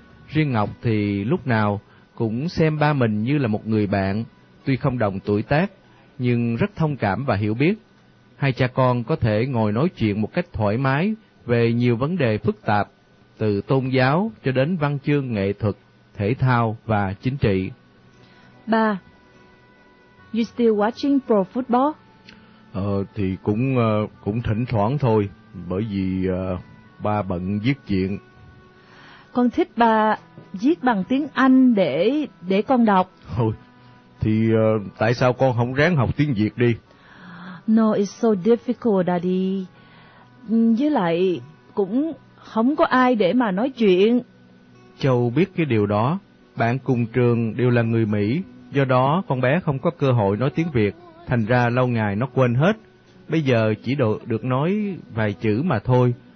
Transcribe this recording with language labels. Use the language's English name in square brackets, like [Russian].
[Vietnamese] Riêng Ngọc thì lúc nào cũng xem ba mình như là một người bạn, tuy không đồng tuổi tác, nhưng rất thông cảm và hiểu biết. Hai cha con có thể ngồi nói chuyện một cách thoải mái về nhiều vấn đề phức tạp, từ tôn giáo cho đến văn chương nghệ thuật, thể thao và chính trị. Ba, [English] you still watching pro football? [Vietnamese] Thì cũng thỉnh thoảng thôi, bởi vì ba bận viết chuyện. Con thích ba viết bằng tiếng Anh để con đọc. Thôi, thì tại sao con không ráng học tiếng Việt đi? [English] No, it's so difficult, daddy. [Vietnamese] Với lại, cũng không có ai để mà nói chuyện. Châu biết cái điều đó, bạn cùng trường đều là người Mỹ, do đó con bé không có cơ hội nói tiếng Việt. Thành ra lâu ngày nó quên hết, bây giờ chỉ được nói vài chữ mà thôi.